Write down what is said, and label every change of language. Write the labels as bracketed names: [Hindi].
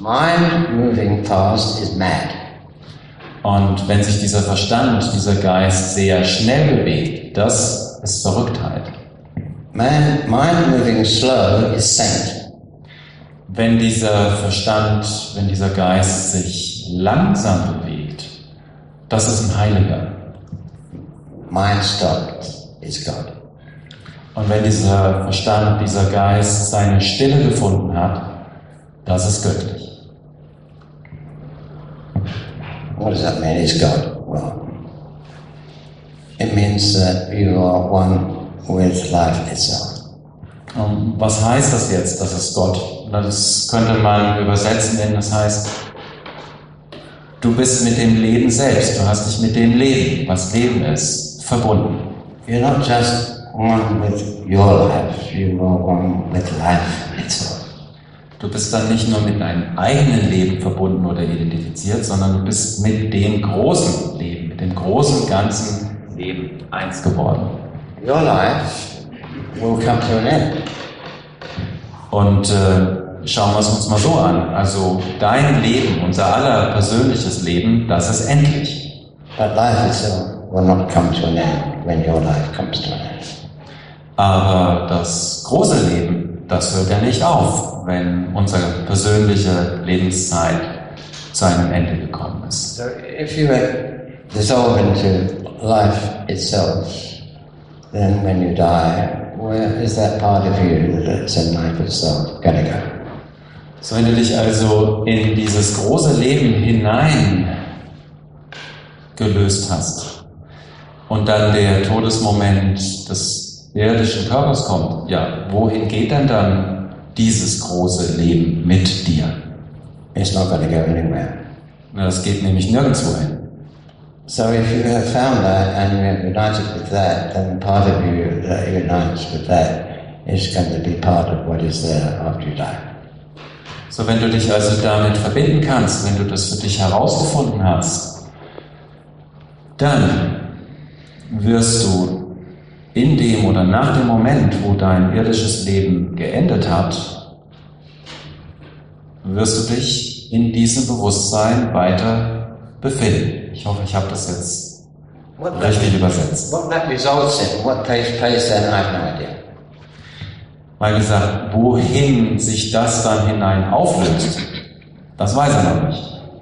[English] Mind moving fast is mad. [German] Und wenn sich dieser Verstand, dieser Geist sehr schnell bewegt, das ist Verrücktheit. [English] Mind moving slow is sane. [German] Wenn dieser Verstand, wenn dieser Geist sich langsam bewegt, das ist ein Heiliger. [English] Mind stopped is God. [German] Und wenn dieser Verstand, dieser Geist seine Stille gefunden hat, das ist göttlich. [English] What does that mean, is God? Well, it means that you are one with life itself. [German] Was heißt das jetzt, dass es Gott? Das könnte man übersetzen, denn das heißt, du bist mit dem Leben selbst, du hast dich mit dem Leben, was Leben ist, verbunden. [English] You're not just one with your life, you are one with life itself. [German] Du bist dann nicht nur mit deinem eigenen Leben verbunden oder identifiziert, sondern du bist mit dem großen Leben, mit dem großen ganzen Leben eins geworden. [English] Your life will come to an end. [German] Und schauen wir es uns mal so an. Also dein Leben, unser aller persönliches Leben, das ist endlich. [English] But life itself will not come to an end when your life comes to an end. [German] Aber das große Leben, das hört ja nicht auf, wenn unsere persönliche Lebenszeit zu einem Ende gekommen ist. [English] So if you dissolve into life itself, then when you die, where is that part of you that's in life itself gonna go? [German] So wenn du dich also in dieses große Leben hinein gelöst hast und dann der Todesmoment des irdischen Körpers kommt, ja, wohin geht denn dann dieses große Leben mit dir? [English] It's not gonna go anywhere. [German] Na, das geht nämlich nirgendwo hin. [English] So if you have found that and you have united with that, then part of you that unites with that is going to be part of what is there after you die. [German] So wenn du dich also damit verbinden kannst, wenn du das für dich herausgefunden hast, dann wirst du in dem oder nach dem Moment, wo dein irdisches Leben geendet hat, wirst du dich in diesem Bewusstsein weiter befinden. Ich hoffe, ich habe das jetzt richtig übersetzt. [English] What that results in, what takes place then, I have no idea. [German] Weil gesagt, wohin sich das dann hinein auflöst, das weiß er noch nicht.